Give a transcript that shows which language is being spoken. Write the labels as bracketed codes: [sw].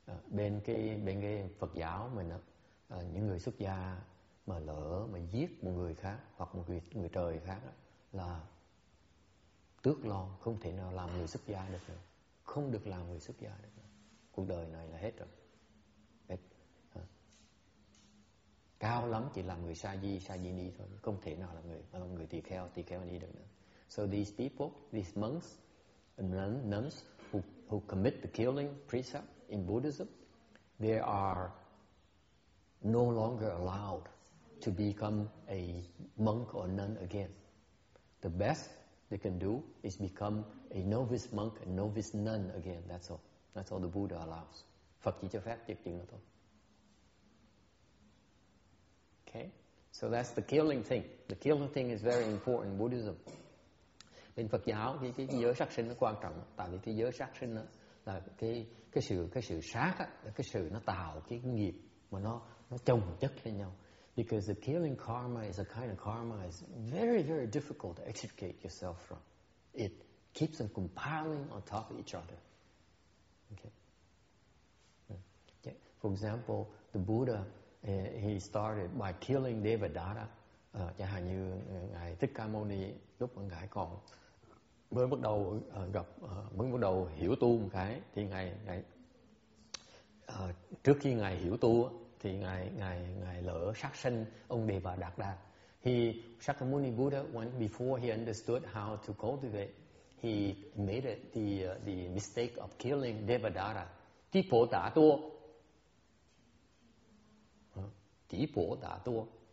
[vi] Bên cái Phật giáo mình á, những người xuất gia mà lỡ mà giết một người khác hoặc một người trời khác á, là tước lon, không thể nào làm người xuất gia được nữa, không được làm người xuất gia được nữa. Cuộc đời này là hết rồi. Cao lắm chỉ là người sa di ni thôi, không thể nào là người tỳ kheo ni được nữa. [en] So these people, these monks and nuns who commit the killing precept in Buddhism, they are no longer allowed to become a monk or nun again. The best they can do is become a novice monk and novice nun again. That's all. That's all the Buddha allows. [vi] Phật chỉ cho phép chỉ chuyện đó thôi. [en] Okay, so that's the killing thing. The killing thing is very important in Buddhism. [vi] Bên Phật giáo thì cái giới sát sinh nó quan trọng, tại vì cái giới sát sinh đó là cái sự sát á, cái sự nó tạo cái nghiệp mà nó chồng chất lên nhau. [en] Because the killing karma is a kind of karma is very very difficult to extricate yourself from. It keeps on compiling on top of each other. Okay. For example, the Buddha. He started by killing Devadatta. [vi] Chẳng hạn như ngài Thích Ca Mâu Ni lúc mà ngài còn mới bắt đầu gặp mới bắt đầu hiểu tu một cái, thì ngài trước khi ngài hiểu tu thì ngài lỡ sát sinh ông Devadatta. [en] He Shakyamuni Buddha, when before he understood how to cultivate, he made it the mistake of killing Devadatta. Ti po ta tu. Tỷ bổ đã tua.